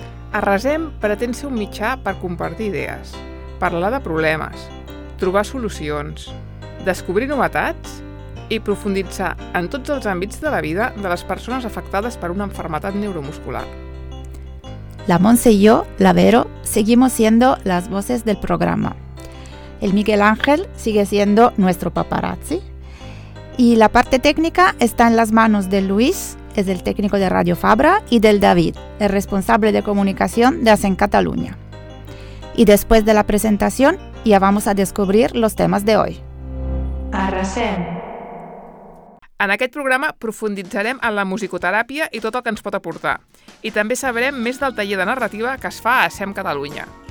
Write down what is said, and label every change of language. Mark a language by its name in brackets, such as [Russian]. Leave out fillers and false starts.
[Catalan] A Resem pretén ser un mitjà per compartir idees, parlar de problemes, trobar solucions, descobrir novetats i profunditzar en tots els àmbits de la vida de les persones afectades per una malaltia neuromuscular. [Spanish] La Montse y yo, la Vero, seguimos siendo las voces del programa. El Miguel Ángel sigue siendo nuestro paparazzi. Y la parte técnica está en las manos de Luis, es el técnico de Radio Fabra, y del David, el responsable de comunicación de ASEN Cataluña. Y después de la presentación, ya vamos a descubrir los temas de hoy. [Catalan] Arrasem. En aquest programa profunditzarem en la musicoteràpia i tot el que ens pot aportar. I també sabrem més del taller de narrativa que es fa a ASEM Catalunya.